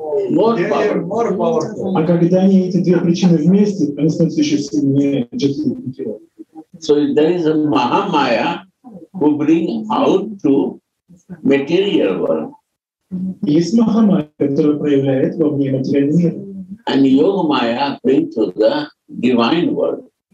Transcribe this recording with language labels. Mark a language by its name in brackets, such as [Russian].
[Russian] А когда они эти две причины вместе, они становятся еще сильнее. [English] So there is a Mahamaya who bring out to material world. [Russian] Есть Mahamaya, которая проявляет во мне материальный мир. [English] And Yoga Maya bring to the divine world.